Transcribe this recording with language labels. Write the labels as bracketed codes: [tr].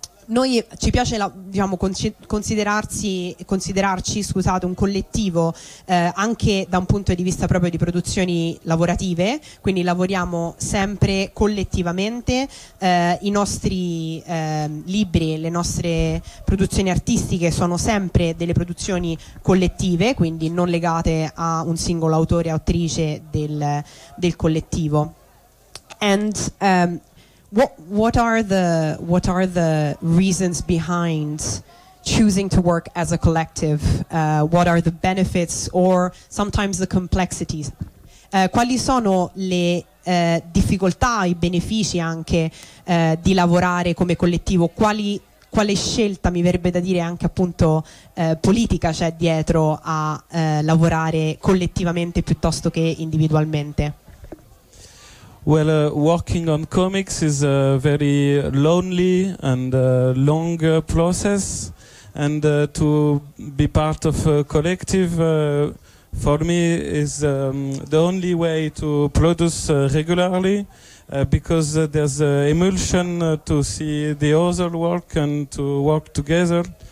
[it] Noi ci piace considerarci un collettivo anche da un punto di vista proprio di produzioni lavorative, quindi lavoriamo sempre collettivamente, i nostri libri, le nostre produzioni artistiche sono sempre delle produzioni collettive, quindi non legate a un singolo autore o autrice del collettivo. [en] And What are the reasons behind choosing to work as a collective? What are the benefits or sometimes the complexities? [it] Quali sono le difficoltà, i benefici anche di lavorare come collettivo? Quale scelta, mi verrebbe da dire, anche appunto politica c'è dietro a lavorare collettivamente piuttosto che individualmente? [en] Well, working on comics is a very lonely and long process, and to be part of a collective for me is the only way to produce regularly, because there's an emulsion to see the other work and to work together.